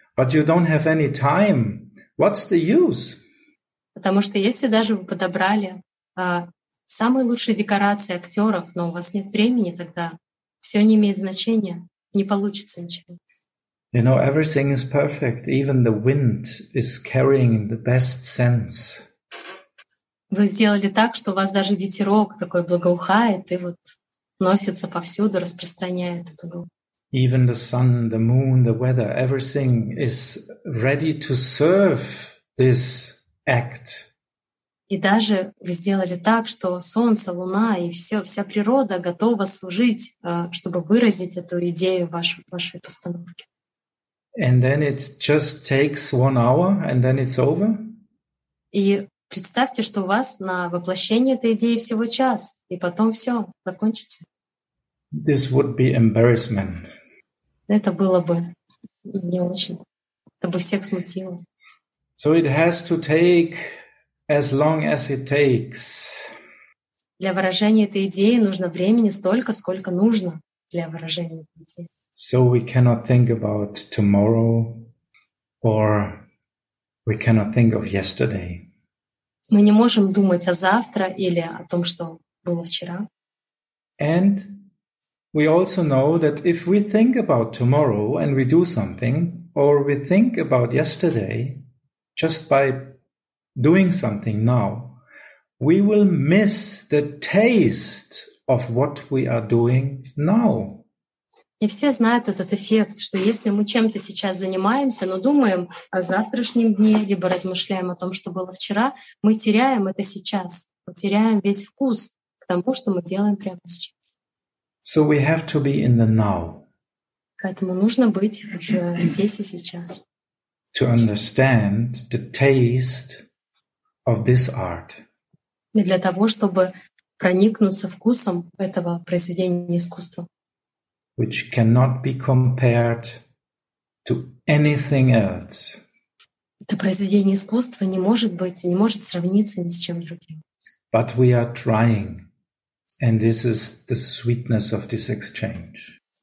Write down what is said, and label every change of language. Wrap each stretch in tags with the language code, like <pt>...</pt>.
<en>But you don't have any time. What's the use?</en> <ru>Потому что если даже вы подобрали самые лучшие декорации актеров, но у вас нет времени, тогда все не имеет значения, не получится ничего.</ru> <en>You know, everything is perfect. Even the wind is carrying the best scents.</en> <ru>Вы сделали так, что у вас даже ветерок такой благоухает и вот носится повсюду, распространяет этот дух.</ru> <en>Even the sun, the moon, the weather, everything is ready to serve this act.</en> <ru>И даже вы сделали так, что солнце, луна и все, вся природа готова служить, чтобы выразить эту идею вашей постановки.</ru> <en>And then it just takes 1 hour and then it's over?</en> <ru>И представьте, что у вас на воплощение этой идеи всего час, и потом все, закончится.</ru> <en>This would be embarrassment.</en> <ru>Это было бы не очень. Это бы всех смутило.</ru> <en>So it has to take as long as it takes.</en> <ru>Для выражения этой идеи нужно времени столько, сколько нужно для выражения этой идеи.</ru> <en>So we cannot think about tomorrow or we cannot think of yesterday.</en> <ru>Мы не можем думать о завтра или о том, что было вчера.</ru> <en>And we also know that if we think about tomorrow and we do something, or we think about yesterday, just by doing something now, we will miss the taste of what we are doing now.</en> <ru>И все знают этот эффект, что если мы чем-то сейчас занимаемся, но думаем о завтрашнем дне, либо размышляем о том, что было вчера, мы теряем это сейчас, мы теряем весь вкус к тому, что мы делаем прямо сейчас.</ru> <en>So we have to be in the now.</en> <ru>Поэтому нужно быть здесь и сейчас.</ru> <en>To understand the taste of this art.</en> <ru>И для того, чтобы проникнуться вкусом этого произведения искусства.</ru> <en>Which cannot be compared to anything else.</en> <ru>Это произведение искусства не может быть, не может сравниться ни с чем другим.</ru> <en>But we are trying. And this is the sweetness of this exchange.</en>